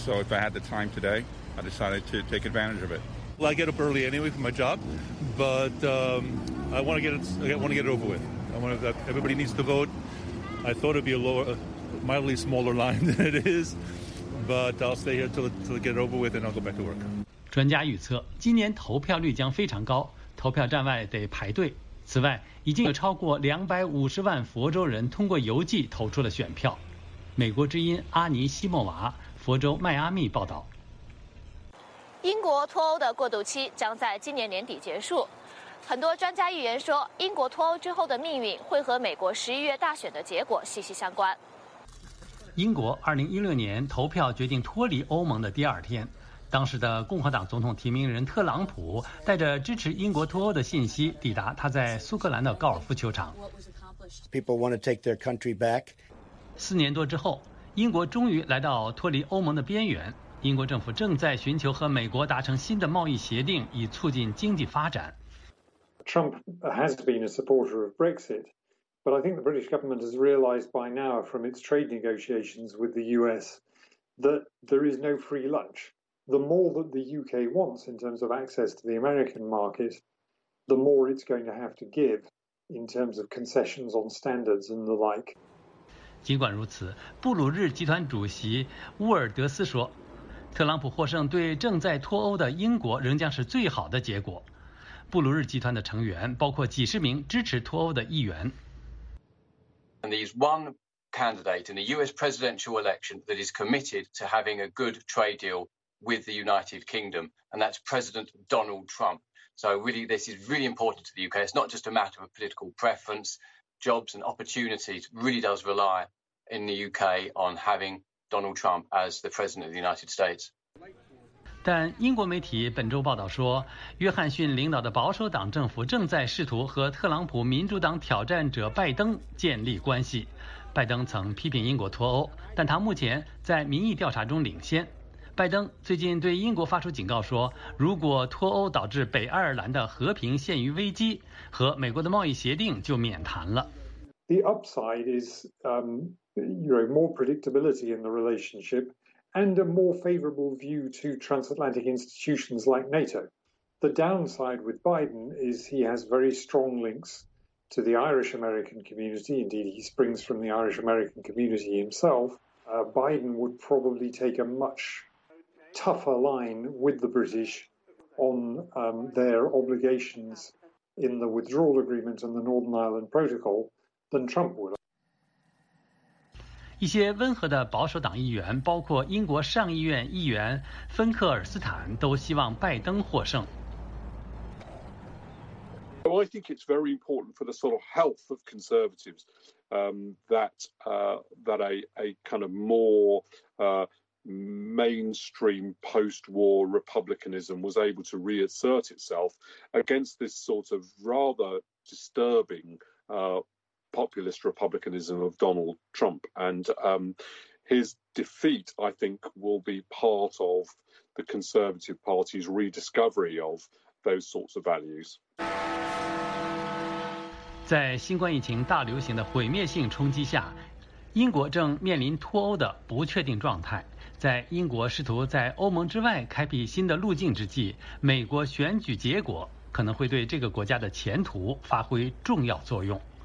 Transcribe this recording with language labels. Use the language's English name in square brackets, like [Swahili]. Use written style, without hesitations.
[English] So if I had the time today, I decided to take advantage of it. Well, I get up early anyway for my job, but I want to get it over with. Everybody needs to vote. I thought it'd be a mildly smaller line than it is, but I'll stay here till get it over with, and I'll go back to work. [Chinese] 专家预测，今年投票率将非常高，投票站外得排队。此外，已经有超过250万佛州人通过邮寄投出了选票。美国之音阿尼西莫娃，佛州迈阿密报道。英国脱欧的过渡期将在今年年底结束。很多专家预言说，英国脱欧之后的命运会和美国十一月大选的结果息息相关。英国2016年投票决定脱离欧盟的第二天，当时的共和党总统提名人特朗普带着支持英国脱欧的信息抵达他在苏格兰的高尔夫球场。 [English] People want to take their country back. [Chinese] 4年多之后，英国终于来到脱离欧盟的边缘。英国政府正在寻求和美国达成新的贸易协定，以促进经济发展。 [English] Trump has been a supporter of Brexit, but I think the British government has realized by now from its trade negotiations with the US that there is no free lunch. The more that the UK wants in terms of access to the American market, the more it's going to have to give in terms of concessions on standards and the like. [Chinese] 尽管如此，布鲁日集团主席乌尔德斯说，特朗普获胜对正在脱欧的英国仍将是最好的结果。布鲁日集团的成员包括几十名支持脱欧的议员。 [English] And there's one candidate in the US presidential election that is committed to having a good trade deal. With the United Kingdom, and that's President Donald Trump. So really, this is really important to the UK. It's not just a matter of political preference. Jobs and opportunities really does rely in the UK on having Donald Trump as the President of the United States. [Chinese] 但英国媒体本周报道说，约翰逊领导的保守党政府正在试图和特朗普民主党挑战者拜登建立关系。拜登曾批评英国脱欧，但他目前在民意调查中领先。拜登最近对英国发出警告说，如果脱欧导致北爱尔兰的和平陷于危机，和美国的贸易协定就免谈了。 [English] The upside is, more predictability in the relationship and a more favorable view to transatlantic institutions like NATO. The downside with Biden is he has very strong links to the Irish-American community. Indeed, he springs from the Irish-American community himself. Biden would probably take a much tougher line with the British on their obligations in the withdrawal agreement and the Northern Ireland Protocol than Trump would. [Chinese] 一些温和的保守党议员，包括英国上议院议员芬克尔斯坦，都希望拜登获胜。 [English] Well, I think it's very important for the sort of health of conservatives that a kind of more mainstream post-war republicanism was able to reassert itself against this sort of rather disturbing populist republicanism of Donald Trump. And his defeat, I think, will be part of the Conservative Party's rediscovery of those sorts of values. [Chinese] 在新冠疫情大流行的毁灭性冲击下，英国正面临脱欧的不确定状态。在英国试图在欧盟之外开辟新的路径之际，美国选举结果可能会对这个国家的前途发挥重要作用。